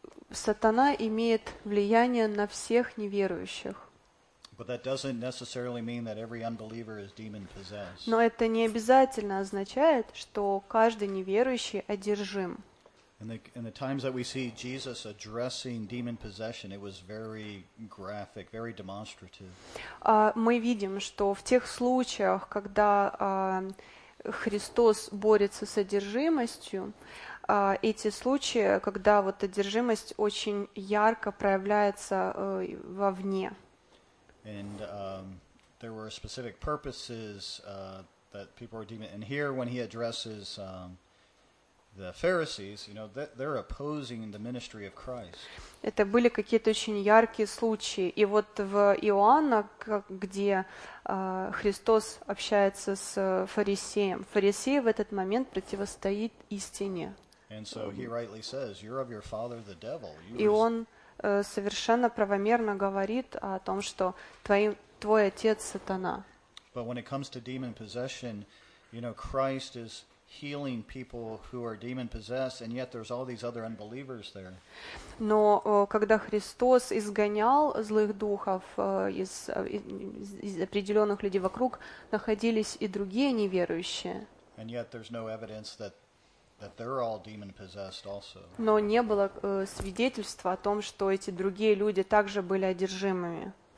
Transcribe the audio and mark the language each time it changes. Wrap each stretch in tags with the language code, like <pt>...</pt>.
<ru>Сатана имеет влияние на всех неверующих.</ru> <en>But that doesn't necessarily mean that every unbeliever is demon possessed.</en> <ru>Но это не обязательно означает, что каждый неверующий одержим.</ru> <en>In the times that we see Jesus addressing demon possession, it was very graphic, very demonstrative.</en> <ru>Мы видим, что в тех случаях, когда Христос борется с одержимостью, эти случаи, когда вот одержимость очень ярко проявляется вовне.</ru> <en>And there were specific purposes that people were demon. And here, when he addresses the Pharisees, you know, they're opposing the ministry of Christ.</en> <ru>Это были какие-то очень яркие случаи. И вот в Иоанна, где Христос общается с фарисеем, фарисей в этот момент противостоит истине.</ru> <en>And so he rightly says, you're of your father the devil.</en> <ru>И он совершенно правомерно говорит о том, что твой отец сатана.</ru> <en>But when it comes to demon possession, you know, Christ is healing people who are demon possessed, and yet there's all these other unbelievers there.</en> <ru>Но когда Христос изгонял злых духов из определенных людей вокруг, находились и другие неверующие.</ru> <en>And yet there's no evidence that they're all demon possessed also.</en> <ru>Но не было свидетельства о том, что эти другие люди также были одержимыми.</ru>